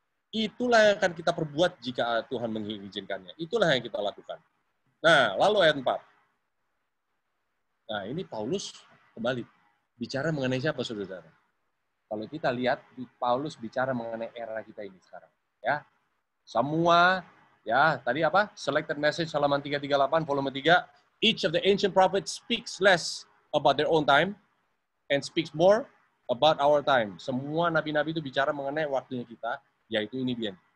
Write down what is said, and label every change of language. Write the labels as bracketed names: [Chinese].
[Indonesian] Itulah yang akan kita perbuat jika Tuhan mengizinkannya. Itulah yang kita lakukan. Nah, lalu ayat 4. Nah, ini Paulus kembali. Bicara mengenai siapa, saudara-saudara? Kalau kita lihat di Paulus bicara mengenai era kita ini sekarang, ya. Semua ya, tadi apa? [English] Selected message halaman 338 volume 3, each of the ancient prophets speaks less about their own time and speaks more about our time. [Indonesian] Semua nabi-nabi itu bicara mengenai waktunya kita, yaitu ini dia.